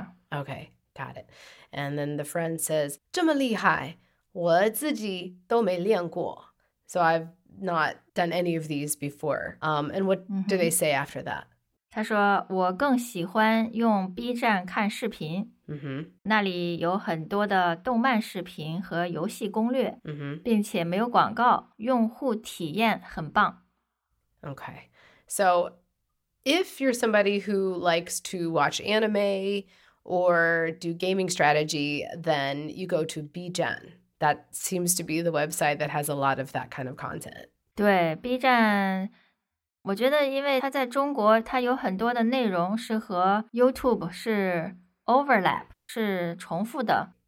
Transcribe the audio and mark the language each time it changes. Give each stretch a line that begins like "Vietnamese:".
English: okay got it and then the friend says
Chinese: 这么厉害我自己都没练过
English: So I've not done any of these before. And what do they say after that?
Chinese: 他说我更喜欢用 B 站看视频、 mm-hmm. 那里有很多的动漫视频和游戏攻略、 mm-hmm. 并且没有广告用户体验很棒
English: Okay. So if you're somebody who likes to watch anime or do gaming strategy, then you go to B站. That seems to be the website that has a lot of that kind of content.
Chinese: 对 ,B 站我觉得因为它在中国它有很多的内容是和 YouTube 是 overlap, 是重复的。